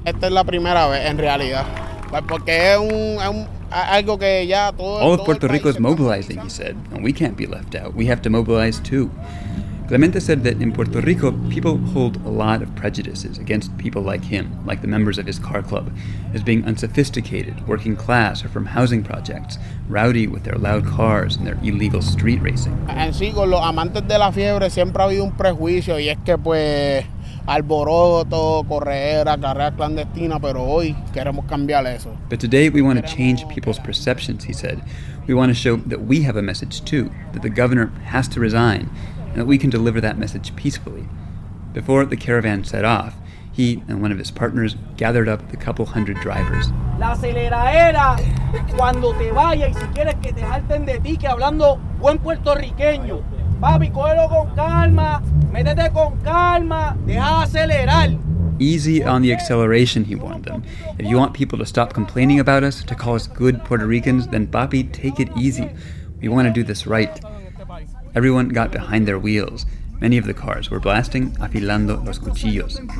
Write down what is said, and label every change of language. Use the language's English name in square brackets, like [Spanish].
[English] All of Puerto Rico is mobilizing, he said, and we can't be left out. We have to mobilize too. Clemente said that in Puerto Rico, people hold a lot of prejudices against people like him, like the members of his car club, as being unsophisticated, working class, or from housing projects, rowdy with their loud cars and their illegal street racing. [Spanish] En sí, con los amantes de la fiebre siempre ha habido un prejuicio, y es que pues alboroto, correr, carrera clandestina, pero hoy queremos cambiar eso. [English] But today we want to change people's perceptions, he said. We want to show that we have a message too, that the governor has to resign, and that we can deliver that message peacefully. Before the caravan set off, he and one of his partners gathered up the couple hundred drivers. [Spanish] La aceleradera, cuando te vayas y si quieres que te jalten de ti, que hablando buen puertorriqueño. Papi, cógelo con calma, métete con calma, deja de acelerar. [English] Easy on the acceleration, he warned them. If you want people to stop complaining about us, to call us good Puerto Ricans, then papi, take it easy. We want to do this right. Everyone got behind their wheels. Many of the cars were blasting Afilando los Cuchillos.